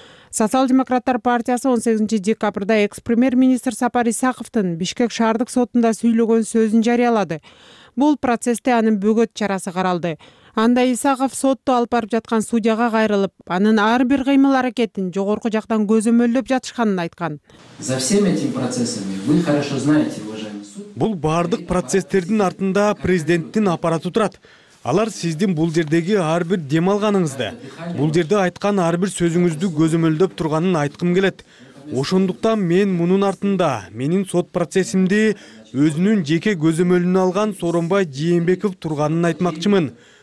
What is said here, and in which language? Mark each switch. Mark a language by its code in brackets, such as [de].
[ky] Социал-демократтар партиясы 18 декабрда экс-премьер-министр Сапар Исаковдун Бишкек шаардык сотунда сүйлөгөн сөзүн жарыялады. Бул процессте анын бөгөт чарасы каралды. Анда Исаков сотто алып барып жаткан судьяга кайрылып, анын ар бир кыймыл аракетин жогорку жактан көзөмөлдөп жатышканын айткан. [ru] За всем этим процессами вы хорошо знаете, уважаемый суд. [ky] Бул бардык процесстердин артында президенттин аппараты турат. Алар сиздин бул жердеги ар бир демалганыңызды, бул жерде айткан ар бир сөзүңүздү көзөмөлдөп турганын айткым келет. Ошондуктан мен мунун артында менин сот процессимди өзүнүн жеке көзөмөлүнө алган Сооронбай Жээнбеков турганын айтмакчымын.